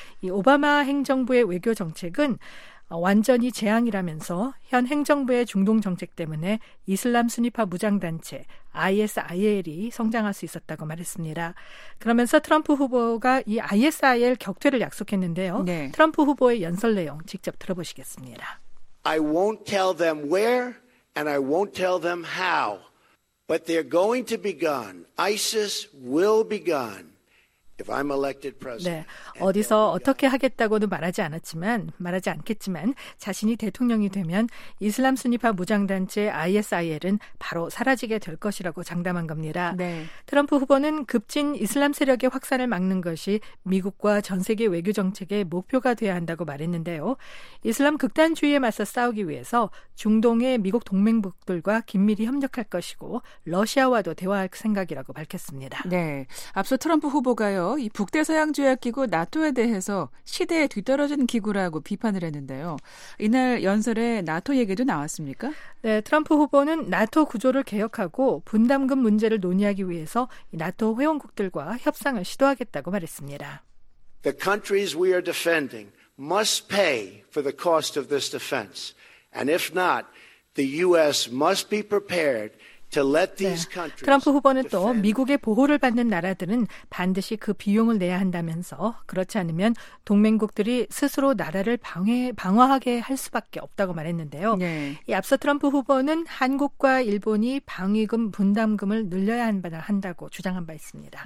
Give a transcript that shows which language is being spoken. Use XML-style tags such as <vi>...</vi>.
<ko>이 오바마 행정부의 외교 정책은 완전히 재앙이라면서 현 행정부의 중동 정책 때문에 이슬람 순위파 무장단체 ISIL이 성장할 수 있었다고 말했습니다. 그러면서 트럼프 후보가 이 ISIL 격퇴를 약속했는데요. 네. 트럼프 후보의 연설 내용 직접 들어보시겠습니다.</ko> <en>I won't tell them where and I won't tell them how. But they're going to be gone. ISIS will be gone if I'm elected president.</en> <ko>네, 어디서 어떻게 하겠다고는 말하지 않겠지만 자신이 대통령이 되면 이슬람 순위파 무장단체 ISIL은 바로 사라지게 될 것이라고 장담한 겁니다. 네. 트럼프 후보는 급진 이슬람 세력의 확산을 막는 것이 미국과 전 세계 외교 정책의 목표가 돼야 한다고 말했는데요. 이슬람 극단주의에 맞서 싸우기 위해서 중동의 미국 동맹국들과 긴밀히 협력할 것이고 러시아와도 대화할 생각이라고 밝혔습니다. 네, 앞서 트럼프 후보가 이 북대서양조약기구 나토에 대해서 시대에 뒤떨어진 기구라고 비판을 했는데요. 이날 연설에 나토 얘기도 나왔습니까? 네, 트럼프 후보는 나토 구조를 개혁하고 분담금 문제를 논의하기 위해서 나토 회원국들과 협상을 시도하겠다고 말했습니다.</ko> <en>The countries we are defending must pay for the cost of this defense. And if not, the U.S. must be prepared.</en> <ko>네, 트럼프 후보는 또 미국의 보호를 받는 나라들은 반드시 그 비용을 내야 한다면서 그렇지 않으면 동맹국들이 스스로 나라를 방어하게 할 수밖에 없다고 말했는데요. 네. 이 앞서 트럼프 후보는 한국과 일본이 방위금 분담금을 늘려야 한다고 주장한 바 있습니다.</ko>